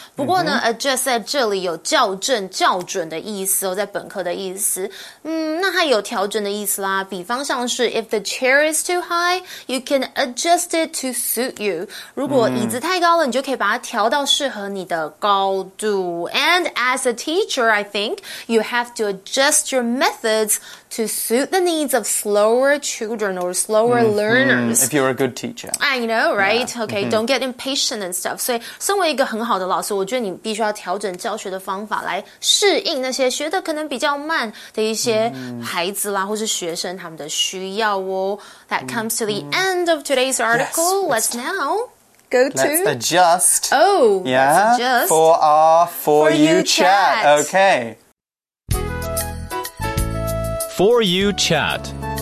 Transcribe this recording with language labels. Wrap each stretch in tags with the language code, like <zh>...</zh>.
<zh>不过呢 ，adjust 在这里有校正、校准的意思哦，在本科的意思。那他有调整的意思啦。比方像是</zh> <en>if the chair is too high, you can adjust it to suit you.</en> <zh>如果椅子太高了，你就可以把它调到适合你的高度。</zh> <en>And as a teacher, I think you have to adjust your methods to suit the needs of slower children or slower learners. If you're a good teacher. I know, right? Yeah. Okay, don't get impatient and stuff.</en> <zh>所以身为一个很好的老师，我觉得你必须要调整教学的方法来适应那些学的可能比较慢的一些孩子啦，或是学生他们的需要哦。</zh> <en>That comes to the end of today's article. Let's now go to... Let's adjust. Oh, yeah, let's adjust. For our For You Chat. Okay. For You Chat.</en>